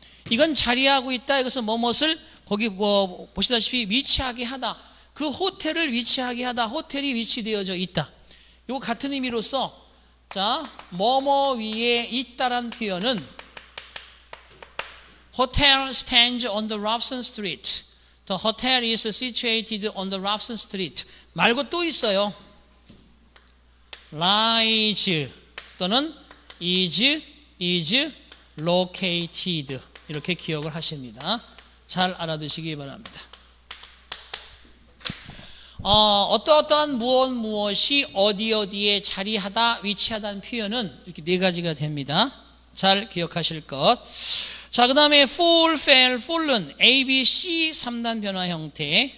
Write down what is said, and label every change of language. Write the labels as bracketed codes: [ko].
[ko] 이건 자리하고 있다, 이것은 무엇을 거기 뭐 보시다시피 위치하게 하다, 그 호텔을 위치하게 하다, 호텔이 위치되어져 있다. 이거 같은 의미로서 자, 뭐뭐 위에 있다란 표현은 [en] Hotel stands on the Robson Street. The hotel is situated on the Robson Street. [ko] 말고 또 있어요. [en] Lies 또는 is located. [ko] 이렇게 기억을 하십니다. 잘 알아두시기 바랍니다. 어떠어떠한 무엇 무엇이 어디 어디에 자리하다 위치하다는 표현은 이렇게 네 가지가 됩니다. 잘 기억하실 것. 자, 그 다음에 fall, fell, fallen, A, B, C 3단 변화 형태.